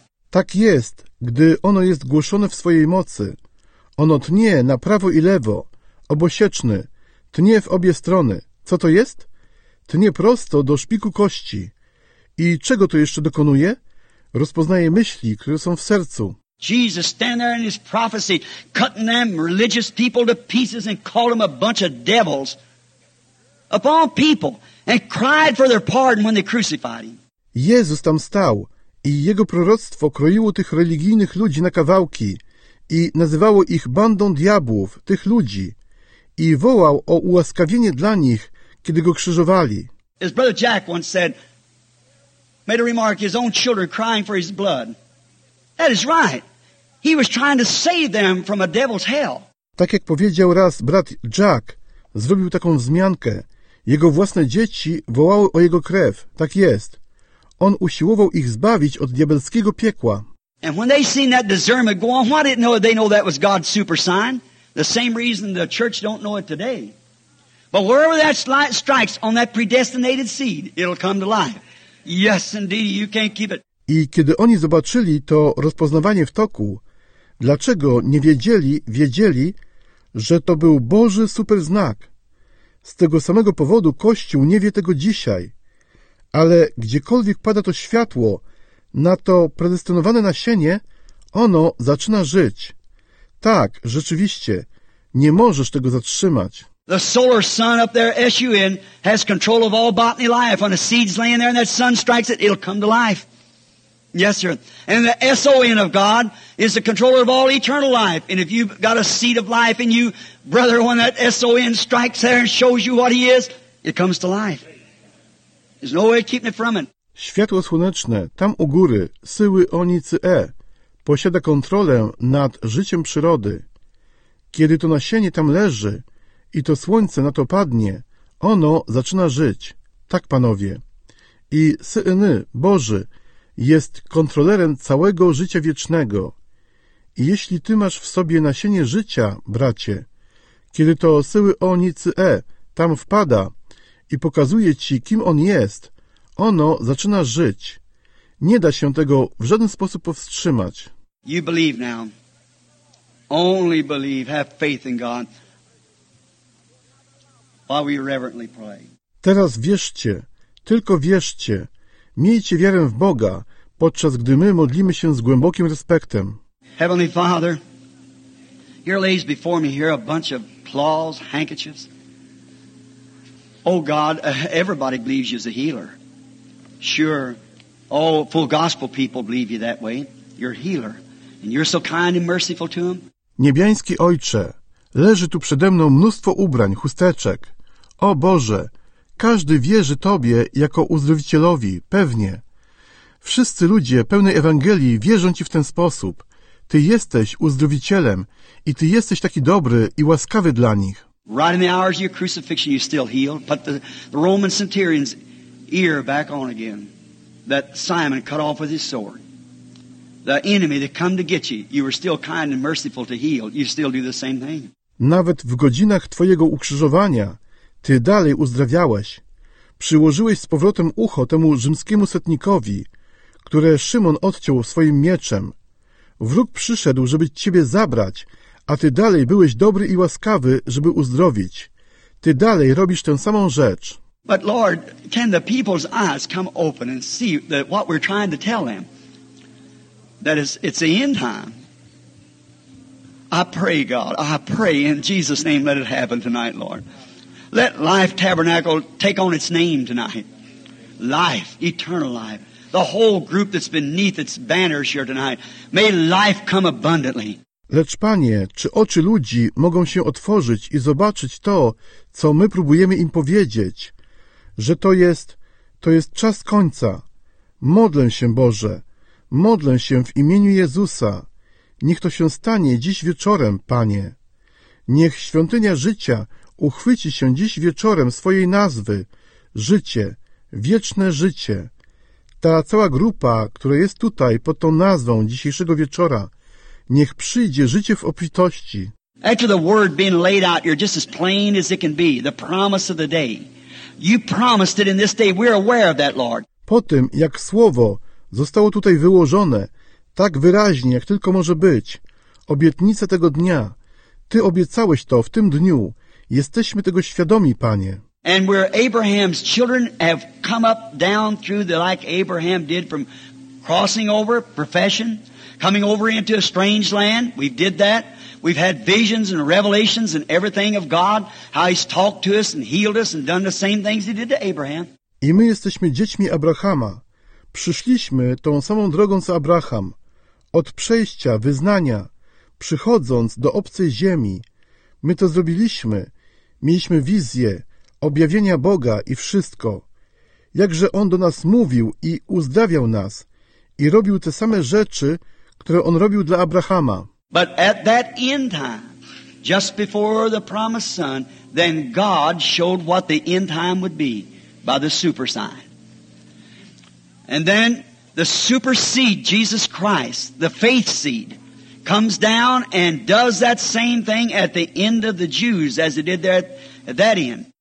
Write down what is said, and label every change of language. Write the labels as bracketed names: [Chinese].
[Polish] Tak jest, gdy ono jest głoszone w swojej mocy. Ono tnie na prawo i lewo, obosieczny, tnie w obie strony. Co to jest? Tnie prosto do szpiku kości. I czego to jeszcze dokonuje? Rozpoznaje myśli, które są w sercu. [English] Jesus stand there in his prophecy, cutting them religious people to pieces and call them a bunch of devils upon people and cried for their pardon when they crucified him. [Polish] Jezus tam stał i jego proroctwo kroiło tych religijnych ludzi na kawałki i nazywało ich bandą diabłów, tych ludzi, i wołał o ułaskawienie dla nich, kiedy go krzyżowali. [English] His brother Jack once said, made a remark, his own children crying for his blood. That is right. He was trying to save them from a devil's hell. [Polish] Tak jak powiedział raz brat Jack, zrobił taką wzmiankę. Jego własne dzieci wołały o jego krew. Tak jest. On usiłował ich zbawić od diabelskiego piekła. [English] And when they seen that discernment go on, why didn't they know that was God's super sign? The same reason the church don't know it today. But wherever that light strikes on that predestinated seed, it'll come to life. Yes, indeed, you can't keep it. [Polish] I kiedy oni zobaczyli to rozpoznawanie w toku, dlaczego nie wiedzieli, że to był Boży superznak. Z tego samego powodu Kościół nie wie tego dzisiaj. Ale gdziekolwiek pada to światło na to predestynowane nasienie, ono zaczyna żyć. Tak, rzeczywiście, nie możesz tego zatrzymać. [English] The solar sun up there, S-U-N, has control of all botany life. When a seed's laying there and that sun strikes it, it'll come to life. Yes, sir. And the S-O-N of God is the controller of all eternal life. And if you've got a seed of life in you, brother, when that S-O-N strikes there and shows you what he is, it comes to life. There's no way of keeping it from it. [Polish] Światło słoneczne, tam u góry, Syły-O-N-I-C-E, posiada kontrolę nad życiem przyrody. Kiedy to nasienie tam leży i to słońce na to padnie, ono zaczyna żyć. Tak, panowie. I Syny Boży jest kontrolerem całego życia wiecznego. I jeśli ty masz w sobie nasienie życia, bracie, kiedy to Syły-O-N-I-C-E tam wpada i pokazuje ci, kim on jest, ono zaczyna żyć. Nie da się tego w żaden sposób powstrzymać. [English] You believe now. Only believe, have faith in God. While we reverently pray. [Polish] Teraz wierzcie, tylko wierzcie. Miejcie wiarę w Boga, podczas gdy my modlimy się z głębokim respektem. [English] Heavenly Father, here lays before me here a bunch of cloths, handkerchiefs. Oh God, everybody believes you as a healer. Sure, all full gospel people believe you that way. You're a healer, and you're so kind and merciful to them. [Polish] Niebiański Ojcze, leży tu przede mną mnóstwo ubrań, chusteczek. O Boże! Każdy wierzy Tobie jako uzdrowicielowi, pewnie. Wszyscy ludzie pełni Ewangelii wierzą Ci w ten sposób. Ty jesteś uzdrowicielem i Ty jesteś taki dobry i łaskawy dla nich. [English] Right in the hours of your crucifixion you still heal, but the Roman centurion's ear back on again, that Simon cut off with his sword. The enemy that come to get you, you were still kind and merciful to heal. You still do the same thing. [Polish] Nawet w godzinach Twojego ukrzyżowania Ty dalej uzdrawiałeś. Przyłożyłeś z powrotem ucho temu rzymskiemu setnikowi, które Szymon odciął swoim mieczem. Wróg przyszedł, żeby ciebie zabrać, a ty dalej byłeś dobry i łaskawy, żeby uzdrowić. Ty dalej robisz tę samą rzecz. [English] But Lord, can the people's eyes come open and see that what we're trying to tell them? That is, it's the end time. I pray, God, I pray in Jesus' name, let it happen tonight, Lord. Let Life Tabernacle take on its name tonight. Life, eternal life. The whole group that's beneath its banners here tonight. May life come abundantly. [Polish] Lecz Panie, czy oczy ludzi mogą się otworzyć i zobaczyć to, co my próbujemy im powiedzieć, że to jest czas końca. Modlę się, Boże. Modlę się w imieniu Jezusa. Niech to się stanie dziś wieczorem, Panie. Niech świątynia życia uchwyci się dziś wieczorem swojej nazwy, życie, wieczne życie. Ta cała grupa, która jest tutaj pod tą nazwą dzisiejszego wieczora, niech przyjdzie życie w obfitości. [English] After the word being laid out, you're just as plain as it can be, the promise of the day. You promised it in this day. We're aware of that, Lord. [Polish] Po tym, jak słowo zostało tutaj wyłożone, tak wyraźnie, jak tylko może być, obietnica tego dnia, Ty obiecałeś to w tym dniu, jesteśmy tego świadomi, Panie. [English] And where Abraham's children have come up down through the, like Abraham did from crossing over, profession, coming over into a strange land, we did that. We've had visions and revelations and everything of God, how He's talked to us and healed us and done the same things He did to Abraham. [Polish] I my jesteśmy dziećmi Abrahama. Przyszliśmy tą samą drogą co Abraham. Od przejścia, wyznania, przychodząc do obcej ziemi. My to zrobiliśmy. Mieliśmy wizję, objawienia Boga i wszystko. Jakże On do nas mówił i uzdrawiał nas i robił te same rzeczy, które On robił dla Abrahama. [English] But at that end time, just before the promised son, then God showed what the end time would be by the super sign. And then the super seed, Jesus Christ, the faith seed, comes down and does that same thing at the end of the Jews as it did there at that end.